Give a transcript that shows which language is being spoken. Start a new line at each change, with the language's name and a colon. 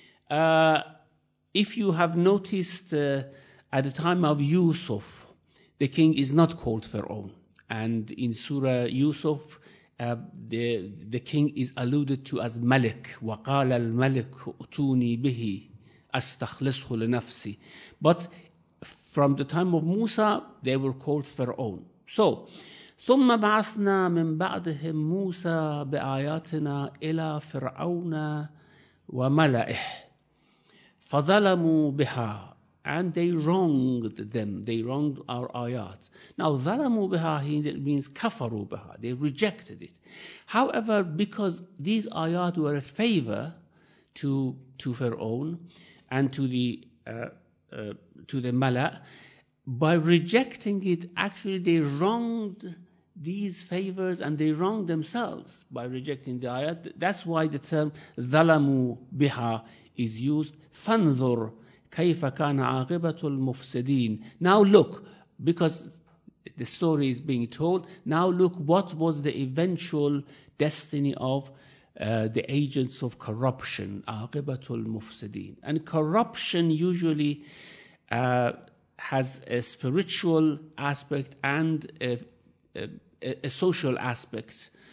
English: If you have noticed, at the time of Yusuf, the king is not called Pharaoh. And in Surah Yusuf, the king is alluded to as Malik.
Arabic: وَقَالَ الْمَلِكُ أُتُونِي بِهِ أَسْتَخْلِصْهُ لِنَفْسِي.
English: But from the time of Musa, they were called Pharaoh. So,
Arabic: ثم بعثنا من بعدهم موسى بآياتنا إلى فرعون وملئه فظلموا بها.
English: And they wronged them. They wronged our ayat. Now,
Arabic: ظلموا بها
English: means
Arabic: كفروا بها.
English: They rejected it. However, because these ayat were a favor to Pharaoh and to the ملأ, by rejecting it, actually they wronged these favors and they wronged themselves by rejecting the ayat. That's why the term
Arabic: ظلموا بها
English: is used.
Arabic: فانظر كيف كان عاقبة المفسدين.
English: Now look, because the story is being told, now look what was the eventual destiny of the agents of corruption.
Arabic: عاقبة المفسدين.
English: And corruption usually has a spiritual aspect and a social aspect.